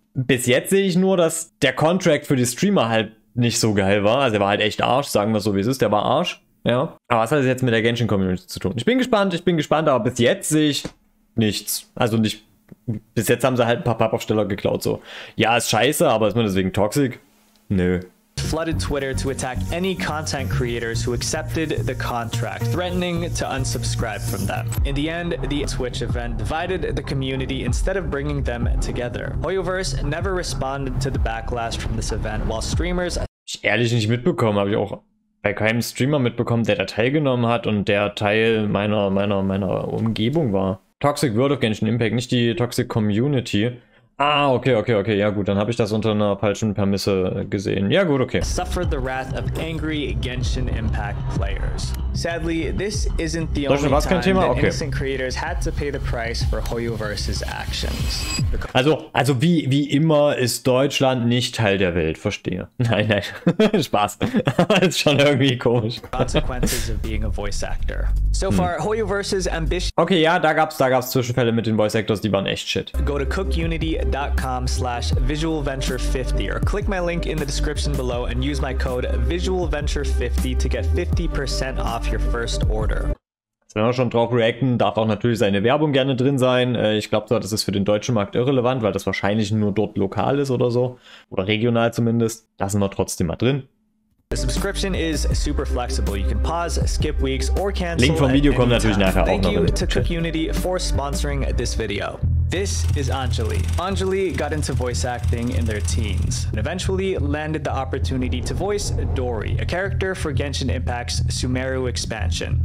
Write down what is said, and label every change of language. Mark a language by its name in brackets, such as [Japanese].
[German] Bis jetzt sehe ich nur, dass der Contract für die Streamer halt nicht so geil war. Also er war halt echt Arsch, sagen wir so, wie es ist. Der war Arsch, ja. Aber was hat es jetzt mit der Genshin-Community zu tun? Ich bin gespannt, aber bis jetzt sehe ich nichts. Also nicht... Bis jetzt haben sie halt ein paar Pappaufsteller geklaut, so. Ja, ist scheiße, aber ist man deswegen toxic? Nö. [English] Flooded Twitter to attack any content creators who accepted the contract, threatening to unsubscribe from them. In the end, the Twitch event divided the community instead of bringing them together. Hoyoverse never responded to the backlash from this event, while streamers... [German] Ich ehrlich nicht mitbekommen, habe ich auch bei keinem Streamer mitbekommen, der da teilgenommen hat und der Teil meiner Umgebung war. Toxic World of Genshin Impact, nicht die Toxic Community. Ah, okay. Ja gut, dann habe ich das unter einer falschen Permisse gesehen. Ja gut, okay. [English] Suffered the wrath of angry Genshin Impact players. Sadly, this isn't the only time that innocent creators had to pay the price for Hoyoverse's actions. [German] Also wie immer ist Deutschland nicht Teil der Welt, verstehe. Nein, Spaß. Das ist schon irgendwie komisch. [English] Consequences of being a voice actor. So far, Hoyoverse's ambition... [German] Okay, ja, da gab's Zwischenfälle mit den Voice Actors, die waren echt shit. [English] Go to cookunity.com/visualventure50 or click my link in the description below and use my code visualventure50 to get 50% off. Your first order. [German] Jetzt werden wir schon drauf reacten, darf auch natürlich seine Werbung gerne drin sein. Ich glaube zwar, das ist für den deutschen Markt irrelevant, weil das wahrscheinlich nur dort lokal ist oder so. Oder regional zumindest. Lassen wir trotzdem mal drin. [English] The subscription is super flexible. You can pause, skip weeks or cancel. [German] Link vom Video kommt natürlich nachher auch noch. [English] Thank you to CookUnity for sponsoring this video. This is Anjali. Anjali got into voice acting in their teens and eventually landed the opportunity to voice Dory, a character for Genshin Impact's Sumeru expansion.